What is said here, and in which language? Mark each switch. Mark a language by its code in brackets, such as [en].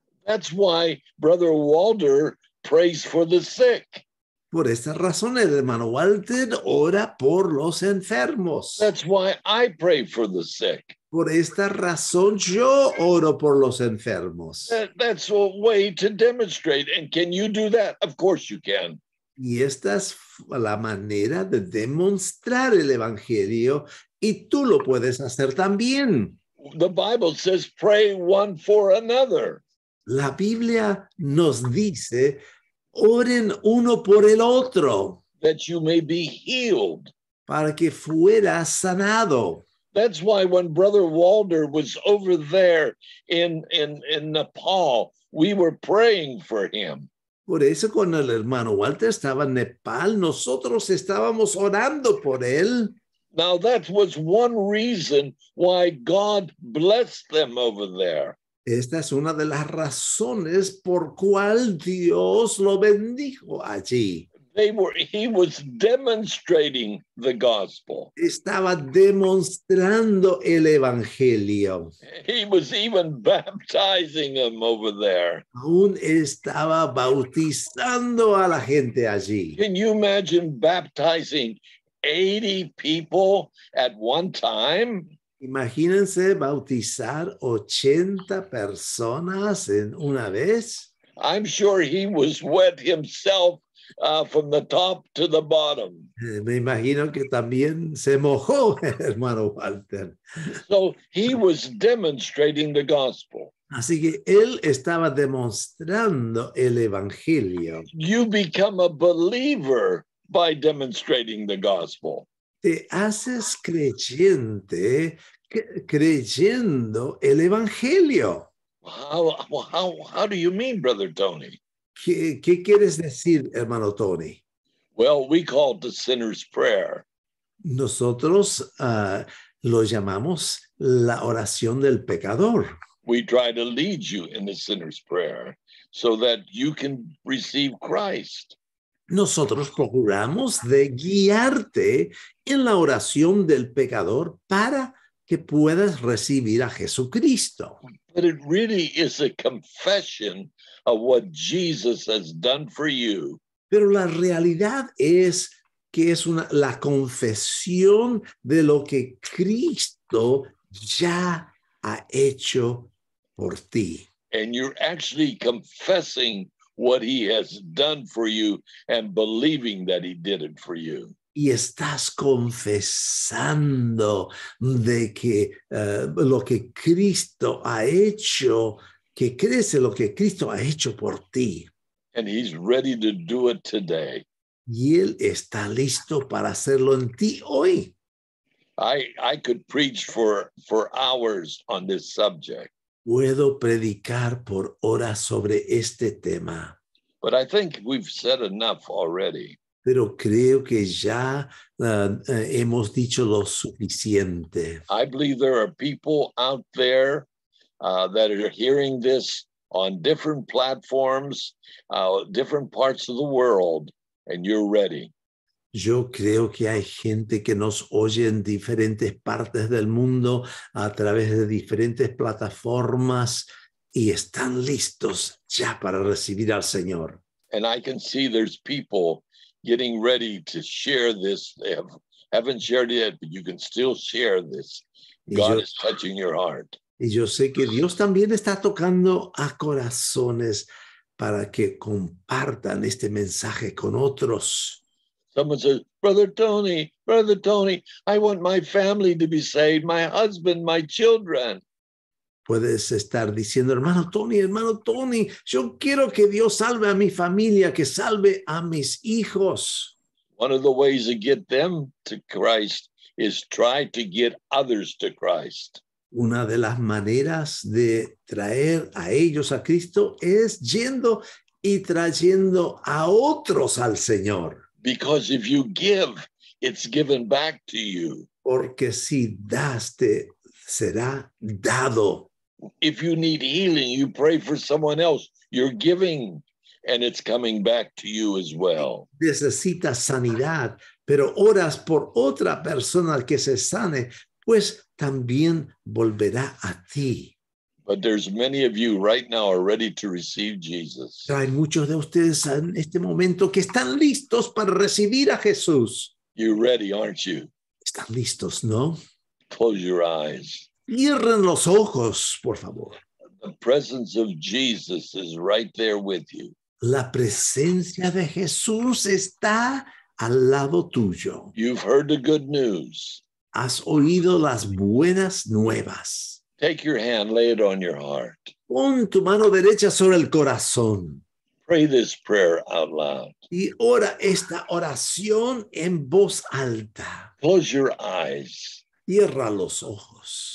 [en] That's why Brother Walter prays for the sick. [es] Por esta razón, el hermano Walter ora por los enfermos. [en] That's why I pray for the sick. [es] Por esta razón, yo oro por los enfermos. [en] That's a way to demonstrate. And can you do that? Of course you can. [es] Y esta es la manera de demostrar el evangelio, y tú lo puedes hacer también. [en] The Bible says, pray one for another. [es] La Biblia nos dice, oren uno por el otro. [en] That you may be healed. [es] Para que fuera sanado. [en] That's why when Brother Walter was over there in Nepal, we were praying for him. [es] Por eso cuando el hermano Walter estaba en Nepal, nosotros estábamos orando por él. [en] Now, that was one reason why God blessed them over there. [es] Esta es una de las razones por cual Dios lo bendijo allí. [en] He was demonstrating the gospel. [es] Estaba demostrando el evangelio. [en] He was even baptizing them over there. [es] Aún estaba bautizando a la gente allí. [en] Can you imagine baptizing 80 people at one time? [es] Imagínense bautizar 80 personas en una vez. [en] I'm sure he was wet himself from the top to the bottom. [es] Me imagino que también se mojó, hermano Walter. [en] So he was demonstrating the gospel. [es] Así que él estaba demostrando el evangelio. [en] You become a believer by demonstrating the gospel. [es] Te haces creyente creyendo el evangelio. [en] How do you mean, Brother Tony? [es] ¿Qué quieres decir, hermano Tony? [en] Well, we call it the sinner's prayer. [es] Nosotros lo llamamos la oración del pecador. [en] We try to lead you in the sinner's prayer so that you can receive Christ. [es] Nosotros procuramos de guiarte en la oración del pecador para que puedas recibir a Jesucristo. [en] But it really is a confession of what Jesus has done for you. [es] Pero la realidad es que es la confesión de lo que Cristo ya ha hecho por ti. [en] And you're actually confessing what he has done for you and believing that he did it for you. [es] Y estás confesando de que lo que Cristo ha hecho, que crees en lo que Cristo ha hecho por ti. [en] And he's ready to do it today. [es] Y él está listo para hacerlo en ti hoy. [en] I could preach for hours on this subject. [es] Puedo predicar por horas sobre este tema. [en] But I think we've said enough already. [es] Pero creo que ya hemos dicho lo suficiente. [en] I believe there are people out there that are hearing this on different platforms, different parts of the world, and you're ready. [es] Yo creo que hay gente que nos oye en diferentes partes del mundo a través de diferentes plataformas y están listos ya para recibir al Señor. [en] And I can see there's people getting ready to share this. They haven't shared it yet, but you can still share this. God is touching your heart. [es] Y yo sé que Dios también está tocando a corazones para que compartan este mensaje con otros. [en] Someone says, Brother Tony, I want my family to be saved, my husband, my children. [es] Puedes estar diciendo, hermano Tony, yo quiero que Dios salve a mi familia, que salve a mis hijos. [en] One of the ways to get them to Christ is try to get others to Christ. [es] Una de las maneras de traer a ellos a Cristo es yendo y trayendo a otros al Señor. [en] Because if you give, it's given back to you. [es] Porque si das, te será dado. [en] If you need healing, you pray for someone else. You're giving, and it's coming back to you as well. [es] Necesitas sanidad, pero oras por otra persona que se sane, pues también volverá a ti. [en] But there's many of you right now are ready to receive Jesus. [es] Hay muchos de ustedes en este momento que están listos para recibir a Jesús. [en] You're ready, aren't you? [es] Están listos, ¿no? [en] Close your eyes. [es] Cierren los ojos, por favor. [en] The presence of Jesus is right there with you. [es] La presencia de Jesús está al lado tuyo. [en] You've heard the good news. [es] Has oído las buenas nuevas. [en] Take your hand, lay it on your heart. [es] Pon tu mano derecha sobre el corazón. [en] Pray this prayer out loud. [es] Y ora esta oración en voz alta. [en] Close your eyes. [es] Cierra los ojos.